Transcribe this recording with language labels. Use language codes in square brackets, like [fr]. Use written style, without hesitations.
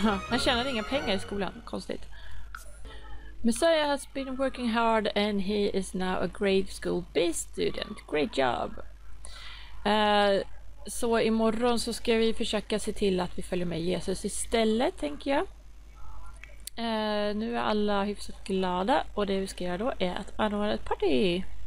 [sv] Han tjänade inga pengar i skolan, konstigt. [en] Messiah has been working hard and he is now a grade school B student. Great job! [sv] Så imorgon så ska vi försöka se till att vi följer med Jesus istället, tänker jag. Nu är alla hyfsat glada och det vi ska göra då är att anordna ett party.